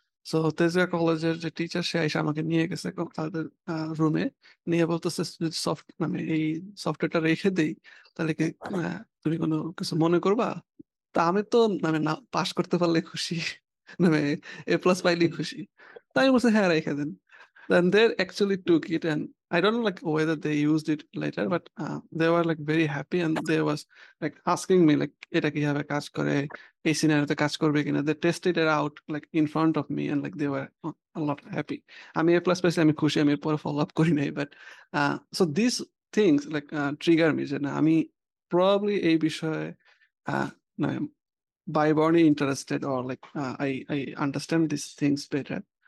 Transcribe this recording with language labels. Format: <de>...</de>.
<bn>So Tejgaon কলেজের যে teacher সে এসে আমাকে নিয়ে গেছে তাদের রুমে, নিয়ে বলতেছে যদি সফট মানে এই সফটওয়্যারটা রেখে দিই তাহলে কি তুমি কোনো কিছু মনে করবা? তা আমি তো মানে না পাশ করতে পারলে খুশি, মানে এ প্লাস পাইলে খুশি, তাই বলছে হ্যাঁ রেখে দেন।</bn> <en>Then they actually took it and I don't know like whether they used it later, but they were like very happy and they was like asking me like</en> <bn>eta kihabe kaj kore, এই সিনারিওতে কাজ করবে কিনা।</bn> <en>They tested it out like in front of me and like they were a lot happy.</en> <bn>আমি এ plus পাইছি, আমি খুশি, আমি এরপরে ফলো আপ করি নাই।</bn> <en>but so this things like trigger me</en> <bn>যে না আমি</bn> <en>probably</en> <bn>এই বিষয়ে</bn> <en>By born interested or like I I understand this things better.</en>